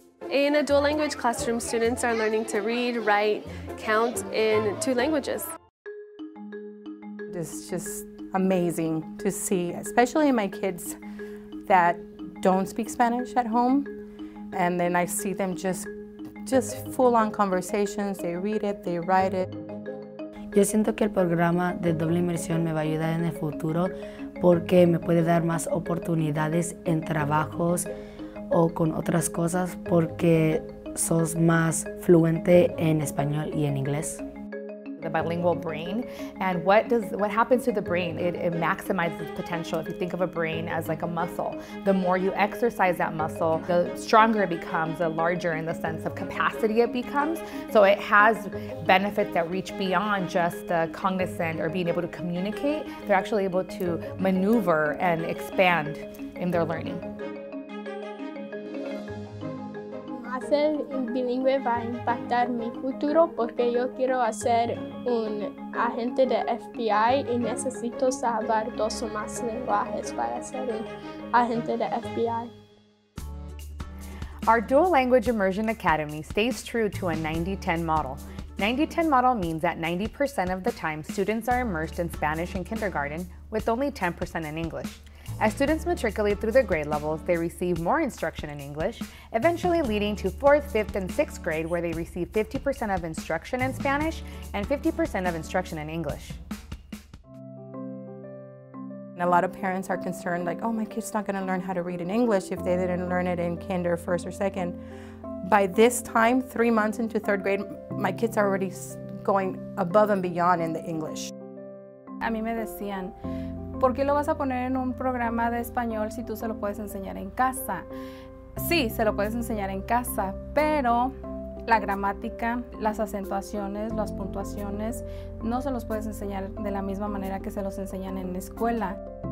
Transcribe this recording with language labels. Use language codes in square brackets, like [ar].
[en] In a dual language classroom, students are learning to read, write, count in two languages. It's just amazing to see, especially my kids that don't speak Spanish at home, and then I see them just full-on conversations. They read it, they write it. [es] Yo siento que el programa de doble inmersión me va a ayudar en el futuro porque me puede dar más oportunidades en trabajos o con otras cosas porque sos más fluente en español y en inglés. [en] The bilingual brain, and what happens to the brain? It maximizes potential. If you think of a brain as like a muscle, the more you exercise that muscle, the stronger it becomes, the larger in the sense of capacity it becomes. So it has benefits that reach beyond just the cognizant or being able to communicate. They're actually able to maneuver and expand in their learning. [es] Hacer bilingüe va a impactar mi futuro porque yo quiero hacer un agente de FBI y necesito saber dos o más lenguajes para ser un agente de FBI. [en] Our dual language immersion academy stays true to a 90-10 model. 90-10 model means that 90% of the time students are immersed in Spanish in kindergarten with only 10% in English. As students matriculate through their grade levels, they receive more instruction in English, eventually leading to 4th, 5th, and 6th grade, where they receive 50% of instruction in Spanish and 50% of instruction in English. And a lot of parents are concerned, like, oh, my kid's not gonna learn how to read in English if they didn't learn it in kinder, first, or second. By this time, 3 months into third grade, my kids are already going above and beyond in the English. [es] A mí me decían, ¿por qué lo vas a poner en un programa de español si tú se lo puedes enseñar en casa? Sí, se lo puedes enseñar en casa, pero la gramática, las acentuaciones, las puntuaciones, no se los puedes enseñar de la misma manera que se los enseñan en la escuela.